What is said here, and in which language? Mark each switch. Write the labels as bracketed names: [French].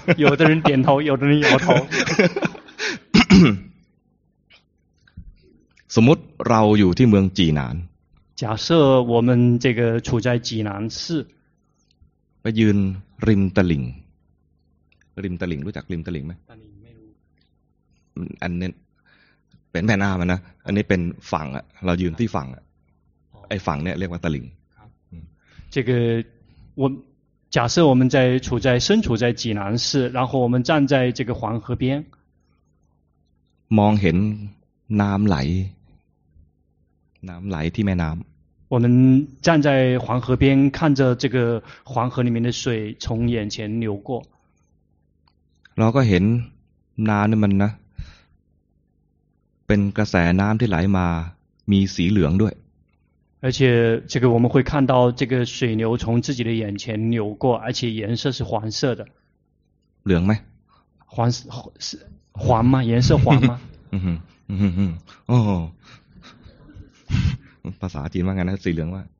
[Chinese] 有的人点头有的人摇头 [Thai] สมมติเราอยู่ที่เมืองจีนาน [Chinese] 假设我们这个处在济南市 [Thai] ไปยืนริมตะลิ่งริมตะลิ่งรู้จักริมตะลิ่งไหม ตะลิ่งไม่รู้อันนี้เป็นแผ่นหน้ามันนะอันนี้เป็นฝั่งอ่ะเรายืนที่ฝั่งอ่ะไอ้ฝั่งเนี่ยเรียกว่าตะลิ่ง [Chinese] ครับ这个我假设我们在处在身处在济南市然后我们站在这个黄河边 [Thai] มองเห็นน้ำไหลน้ำไหลที่แม่น้ำ [Chinese] 我们站在黄河边看着这个黄河里面的水从眼前流过 [Thai] เราก็เห็นน้ำนี่มันนะเป็นกระแสน้ำที่ไหลมามีสีเหลืองด้วย [Chinese] 而且这个我们会看到这个水流从自己的眼前流过而且颜色是黄色的 [Thai] เหลืองไหม [Chinese] 黄是黄吗颜色黄吗 [Thai] 嗯哼嗯哦ภาษาจีนว่าไงนะสีเหลืองว่า